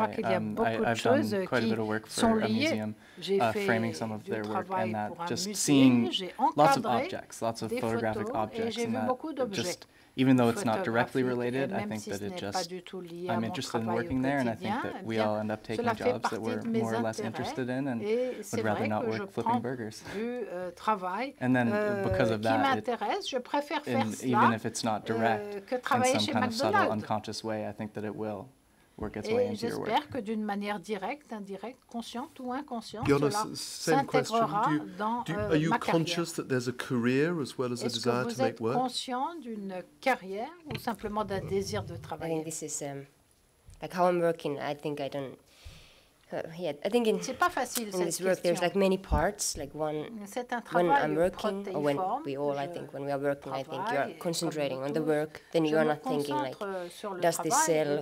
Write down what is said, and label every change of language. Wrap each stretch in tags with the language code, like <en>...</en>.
<en>I've done quite a bit of work for a museum, framing some of their work, and that just seeing lots of objects, lots of photographic objects, and that just, even though it's not directly related, I think that it just, I'm interested in working there, and I think that we all end up taking jobs that we're more or less interested in and would rather not work flipping burgers. And then because of that, even if it's not direct, in some kind of subtle, unconscious way, I think that it will work its way into your work.</en> <fr>Et j'espère que d'une manière directe, indirecte, consciente ou inconsciente, cela s'intégrera dans ma carrière.</fr> <en>Are you conscious that there's a career as well as a desire to make work?</en> <fr>Est-ce que vous êtes conscient d'une carrière ou simplement d'un désir de travailler?</fr> <en>I think this is like how I'm working. I think I don't. Yeah, I think in,</en> <fr>c'est pas facile,</fr> <en>in this work, there's like many parts. Like one,</en> <fr>c'est un travail</fr> <en>when I'm working, or when we all, I think, when we are working, I think you're concentrating on the work. Then you're not thinking like, does this sell?</en>